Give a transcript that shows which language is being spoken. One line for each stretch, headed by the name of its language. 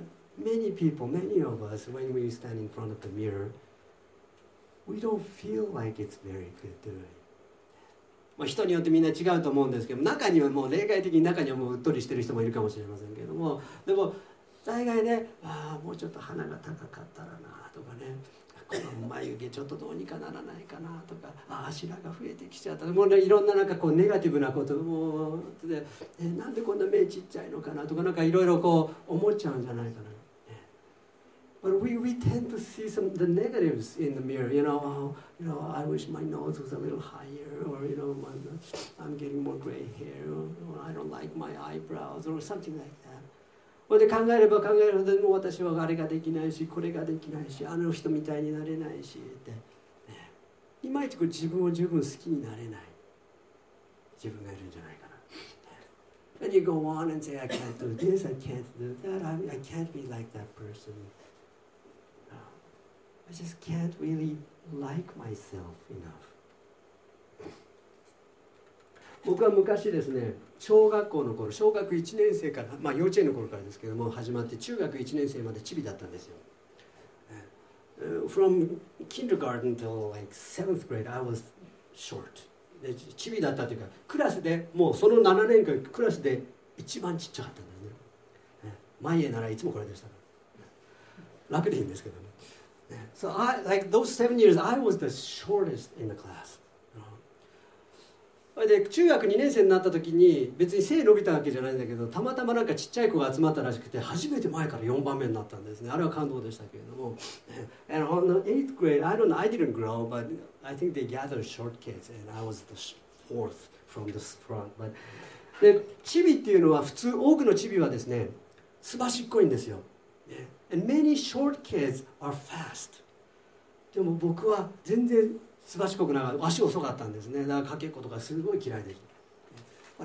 English: But many people, many of us, when we stand in front of the mirror, we don't feel like it's very good, do we?
Japanese: 人によってみんな違うと思うんですけど、中にはもう例外的に中にはもううっとりしてる人もいるかもしれませんけども、でも大概ね、ああもうちょっと鼻が高かったらなとかね、この眉毛ちょっとどうにかならないかなとか、ああ白が増えてきちゃったとか、もう、ね、いろんななんかこうネガティブなこともうで、なんでこんな目ちっちゃいのかなとか、なんかいろいろこう思っちゃうんじゃないかな。
English: But we tend to see some the negatives in the mirror. You know, I wish my nose was a little higher, or you know, I'm getting more gray hair, or I don't like my eyebrows, or something like that.
Japanese: But で考えれば考えるほど、私はあれができないし、これができないし、あの人みたいになれないしって、いまいちこう自分を十分好きになれない自分がいるんじゃないかな。
English: And you go on and say, I can't do this, I can't do that, I can't be like that person. I just can't really like myself enough.
Japanese: 僕は昔ですね、小学校の頃、小学1年生から、まあ幼稚園の頃からですけども、始まって中学1年生までチビだったんですよ。
English: From kindergarten till like 7th grade, I was short.
Japanese: で、チビだったというか、クラスでもうその7年間、クラスで一番ちっちゃかったんですね。前へならいつもこれでしたから。楽でいいんですけどね。
English: So I, like those 7 years, I was the shortest in the class.
Japanese: で中学2年生になった時に別に背伸びたわけじゃないんだけど、たまたまなんかちっちゃい子が集まったらしくて、初めて前から4番目になったんですね。あれは感動でしたけれども。
English: And on the 8th grade, I don't know, I didn't grow, but I think they gathered short kids and I was the fourth from the front.
Japanese: But, で、チビっていうのは普通、多くのチビはですね、すばしっこいんですよ。
English: And many short kids are fast.
Japanese: でも僕は全然すばしこくなかった。足遅かったんですね。だからかけっことかすごい嫌いでした。